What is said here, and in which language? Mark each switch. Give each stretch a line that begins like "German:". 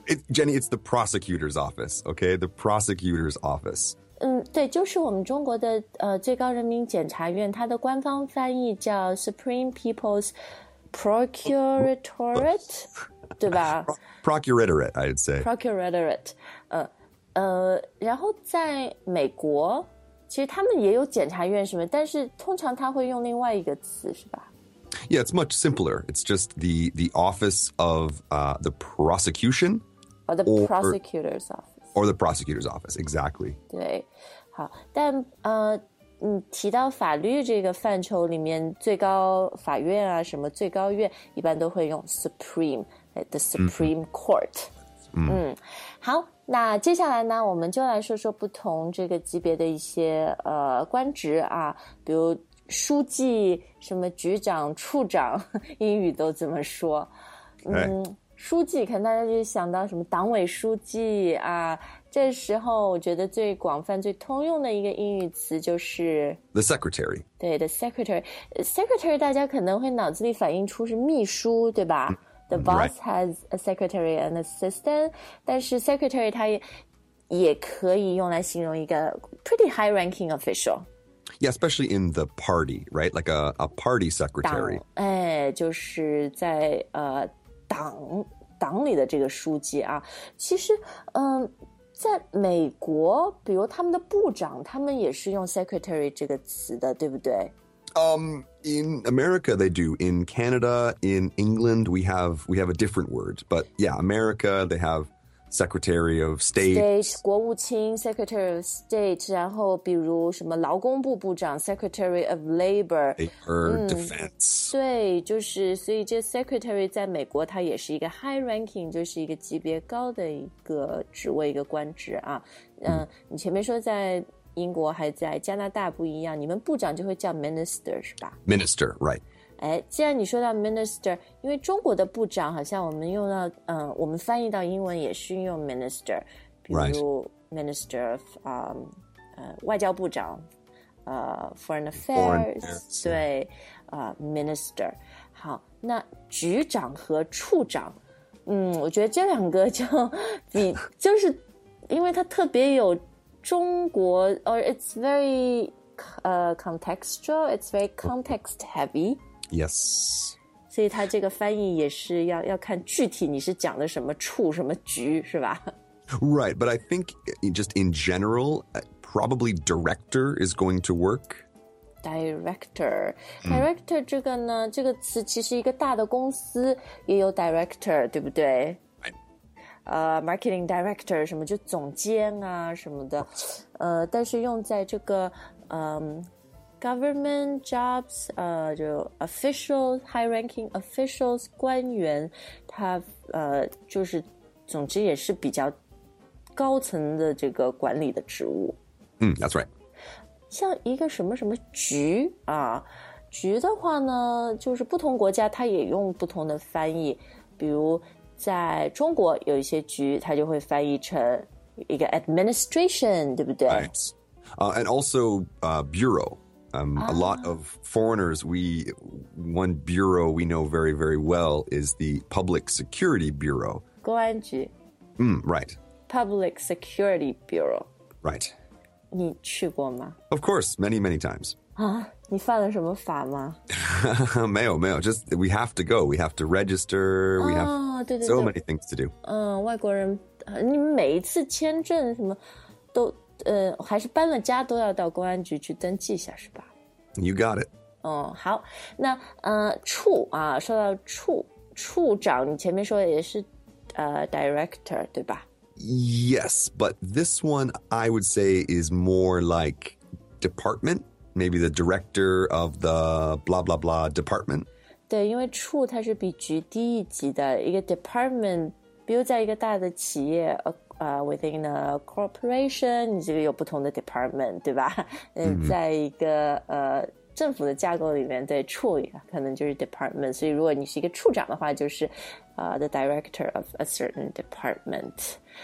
English: Jenny, it's the prosecutor's office, okay? The prosecutor's office.
Chinese: 对，就是我们中国的最高人民检察院，它的官方翻译叫
English: Supreme People's Procuratorate,
Chinese: 对吧
English: ？Procuratorate, I'd say. Procuratorate.
Chinese: 然后在美国，其实他们也有检察院什么，但是通常他会用另外一个词，是吧？
English: Yeah, it's much simpler. It's just the office of the prosecution. Or the prosecutor's office. Or the prosecutor's office, exactly.
Chinese: 对，好，但你提到法律这个范畴里面，最高法院啊，什么最高院，一般都会用 supreme,
English: the supreme court.
Chinese: 好，那接下来呢，我们就来说说不同这个级别的一些官职啊，比如书记、什么局长、处长，英语都怎么说？书记可能大家就想到什么党委书记啊。这时候我觉得最广泛、最通用的一个英语词就是
English: the secretary。
Chinese: 对 ，the secretary。secretary 大家可能会脑子里反映出是秘书，对吧 ？
English: The boss has a secretary and assistant。
Chinese: 但是 secretary 它也可以用来形容一个
English: pretty high-ranking official。 Yeah, especially in the party, right? Like a party secretary.
Chinese: 就是在党里的这个书记啊。其实在美国，比如他们的部长，他们也是用 secretary 这个词的，对不对？
English: In America, they do. In Canada, in England, we have a different word. But yeah, America, they have Secretary of State,
Chinese: 国务卿 Secretary of State, 然后比如什么劳工部部长 Secretary of Labor,
English: Defense.
Chinese: 对，就是所以这 Secretary 在美国它也是一个 high ranking, 就是一个级别高的一个职位一个官职啊。你前面说在英国还在加拿大不一样，你们部长就会叫 Minister 是吧
English: ？Minister, right.
Chinese: 既然你说到 minister, 因为中国的部长好像我们用到我们翻译到英文也是用 minister, 比如 minister of, 外交部长foreign affairs, 对minister, 好那局长和处长我觉得这两个就是因为它特别有中国
English: or it's very contextual, it's very context heavy, Yes.
Chinese: 所以他这个翻译也是要看具体你是讲的什么处什么局是吧
English: Right, but I think just in general, probably director is going to work.
Chinese: Director 这个呢这个词其实一个大的公司也有 director, 对不对 Marketing director, 什么就总监啊什么的但是用在这个Government jobs, 就 officials,
English: high-ranking officials,
Chinese: 官员，他就是，总之也是比较高层的这个管理的职务。
English: That's right.
Chinese: 像一个什么什么局啊，局的话呢，就是不同国家它也用不同的翻译。比如在中国有一些局，它就会翻译成一个 administration, 对不对
English: ？Right. And also bureau. A lot of foreigners, one bureau we know very, very well is the Public Security Bureau.
Chinese: 公安局。
English: Right. Public Security Bureau. Right.
Chinese: 你去过吗
English: ？Of course, many, many times.
Chinese: 啊，你犯了什么法吗？没有
English: just we have to go, we have to register, we have
Chinese: 对对
English: so many things to do.
Chinese: 外国人，你每一次签证什么都。还是搬了家都要到公安局去登记一下是吧
English: You got it
Chinese: 好那处啊说到处长你前面说也是director 对吧
English: Yes but this one I would say is more like department maybe the director of the blah blah blah department
Chinese: 对，因为处它是比局低一级的一个 department， 比如在一个大的企业
English: within a corporation，
Chinese: 你这个有不同的 department， 对吧？嗯，在一个政府的架构里面，对处可能就是 department， 所以如果你是一个处长的话，就是
English: the director of a certain department。